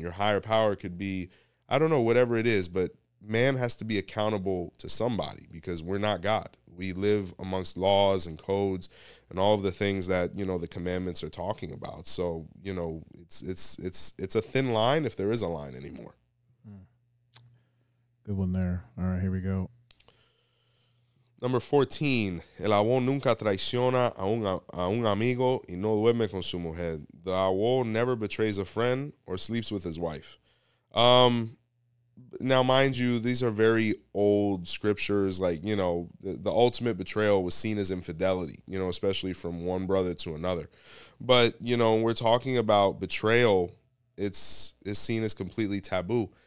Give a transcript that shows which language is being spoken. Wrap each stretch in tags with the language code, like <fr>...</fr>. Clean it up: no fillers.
<en>Your higher power could be, I don't know, whatever it is, but man has to be accountable to somebody because we're not God. We live amongst laws and codes and all of the things that, you know, the commandments are talking about. So, you know, it's a thin line if there is a line anymore. Good one there. All right, here we go. Number 14,</en> <es>el abuelo nunca traiciona a un amigo y no duerme con su mujer.</es> <en>The abuelo never betrays a friend or sleeps with his wife. Now, mind you, these are very old scriptures. Like, you know, the ultimate betrayal was seen as infidelity, you know, especially from one brother to another. But, you know, when we're talking about betrayal, it's seen as completely taboo.</en>